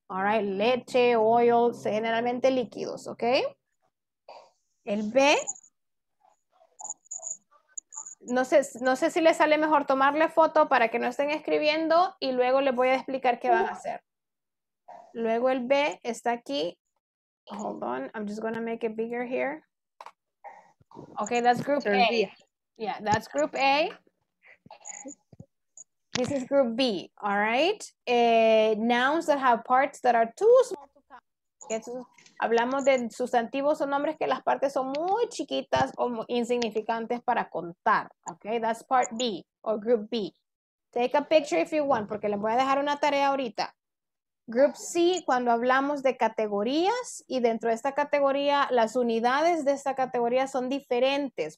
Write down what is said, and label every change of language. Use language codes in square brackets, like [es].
[en] All right, [es] leche, oil, generalmente líquidos, okay? El B, no sé si les sale mejor tomarle foto para que no estén escribiendo y luego les voy a explicar qué van a hacer. Luego el B está aquí. [en] Hold on, I'm just going to make it bigger here. Okay, that's group A. Yeah, that's group A. This is group B, all right? Nouns that have parts that are too small to count. [es] Hablamos de sustantivos o nombres que las partes son muy chiquitas o muy insignificantes para contar. [en] Okay, that's part B or group B. Take a picture if you want, [es] porque les voy a dejar una tarea ahorita. Group C, cuando hablamos de categorías y dentro de esta categoría, las unidades de esta categoría son diferentes.